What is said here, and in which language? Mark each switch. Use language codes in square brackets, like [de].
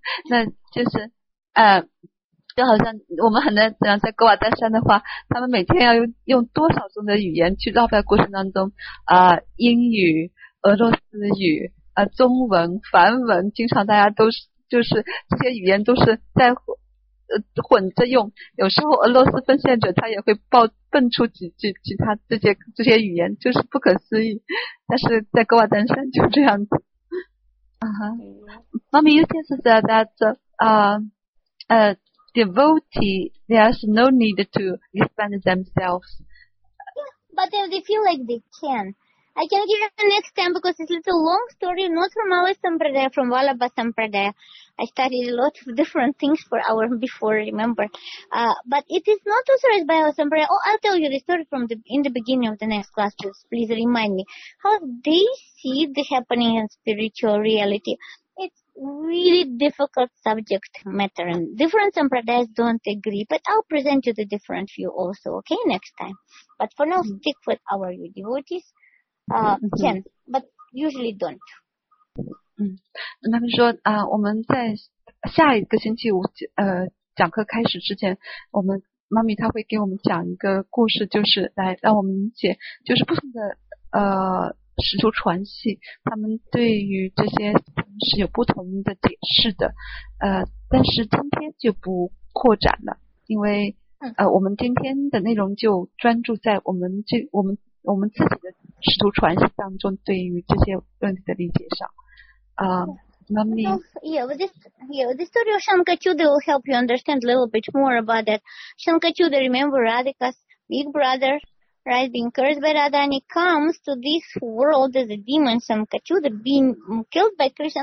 [zh] 那就是就好像我们很难在格瓦丹山的话，他们每天要用多少种的语言去绕在过程当中，英语、俄罗斯语、中文、梵文，经常大家都是就是这些语言都是在混着用。有时候俄罗斯奉献者他也会蹦出几句其他这些语言，就是不可思议。但是在格瓦丹山就这样子。 [en] Mommy, you can say that devotee, there's no need to expand themselves. Yeah, but if they feel like they can. I can give you the next time because it's a little long story, not from Ali Sampradaya, from Vallabha Sampradaya. I studied a lot of different things for our before, remember. But it is not authorized by Ali Sampradaya. Oh, I'll tell you the story from in the beginning of the next class, just please remind me. How they see the happening in spiritual reality. It's really difficult subject matter and different sampradayas don't agree, but I'll present you the different view also, okay, next time. But for now, stick with our devotees, can, but usually don't. [zh] 嗯，他们说啊，我们在下一个星期五讲课开始之前，我们妈咪她会给我们讲一个故事，就是来让我们解，就是不同的使徒传系，他们对于这些是有不同的解释的，但是今天就不扩展了，因为我们今天的内容就专注在我们自己的使徒传系当中对于这些问题的理解上， [en] The story of Shankachuda will help you understand a little bit more about that. Shankachuda, remember Radhika's big brother. Right, being cursed by Radhani, comes to this world as a demon, Shankachuda, being killed by Krishna.